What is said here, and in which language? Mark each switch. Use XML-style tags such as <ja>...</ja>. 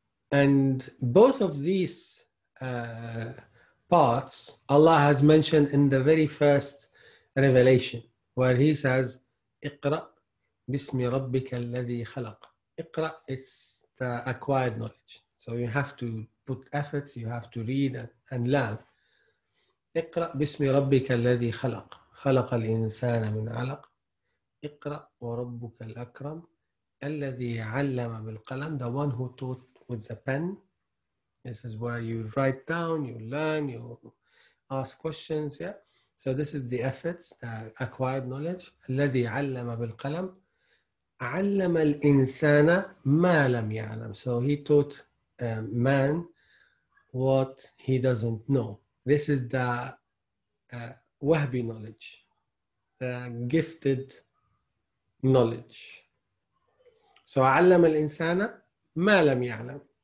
<en>And both of these parts, Allah has mentioned in the very first revelation, where he says,</en> <ar>اقرأ بسم ربك الذي خلق.</ar> <en>اقرأ, it's the acquired knowledge. So you have to put efforts, you have to read and learn.</en> <ar>اقرأ بسم ربك الذي خلق خلق الإنسان من علق اقرأ وربك الأكرم الذي علم بالقلم.</ar> <en>The one who taught with the pen. This is where you write down, you learn, you ask questions. Yeah. So this is the efforts, the acquired knowledge.</en> <ar>الذي علم بالقلم علم الإنسان ما لم يعلم.</ar> <en>So he taught man what he doesn't know. This is the wahbi knowledge, the gifted knowledge. So</en> <ar>علم الإنسان ما لم يعلم.</ar>